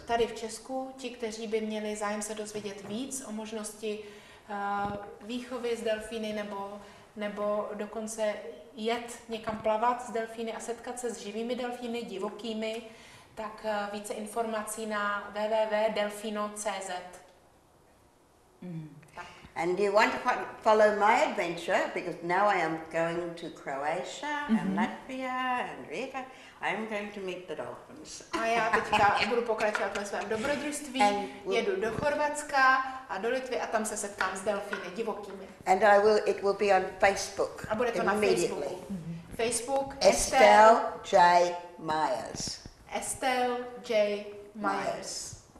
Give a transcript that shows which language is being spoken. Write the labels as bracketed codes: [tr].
[cs] Tady v Česku, ti, kteří by měli zájem se dozvědět víc o možnosti výchovy s delfíny nebo dokonce jet někam plavat s delfíny a setkat se s živými delfíny, divokými, tak více informací na www.delfino.cz. [en] And you want to follow my adventure, because now I am going to Croatia and Latvia and Riga. I am going to meet the dolphins. [cs] A já teďka budu pokračovat ve svém dobrodružství, jedu do Chorvatska a do Litvy a tam se setkám s delfíny divokými. [en] And I will, it will be on Facebook. [cs] A bude to na Facebooku. Facebook Estelle J. Myers. Estelle J. Myers.